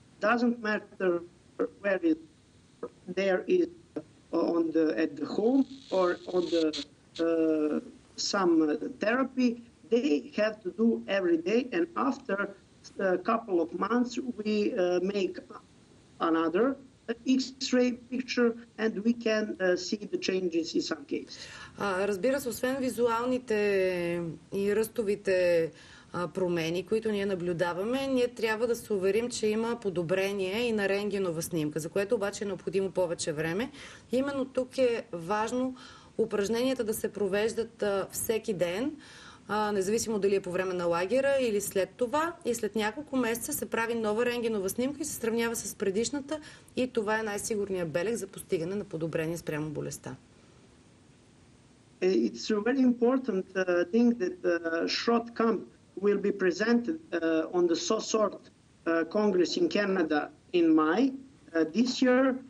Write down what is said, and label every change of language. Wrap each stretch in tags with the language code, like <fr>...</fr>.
<en>Doesn't matter where it there is on the at the home or on the some therapy. They have to do every day, and after a couple of months, we make another X-ray picture, and we can see the changes in some cases.</en> <bg>Разбира се, освен визуалните и ръстовите промени, които ние наблюдаваме, ние трябва да се уверим, че има подобрение и на рентгенова снимка, за което обаче е необходимо повече време. Именно тук е важно упражненията да се провеждат всеки ден, независимо дали е по време на лагера или след това. И след няколко месеца се прави нова рентгенова снимка и се сравнява с предишната. И това е най-сигурният белег за постигане на подобрение спрямо болестта.</bg> <en>It's a very important thing that the short camp will be presented on the SOSORT Congress in Canada in May this year.</en>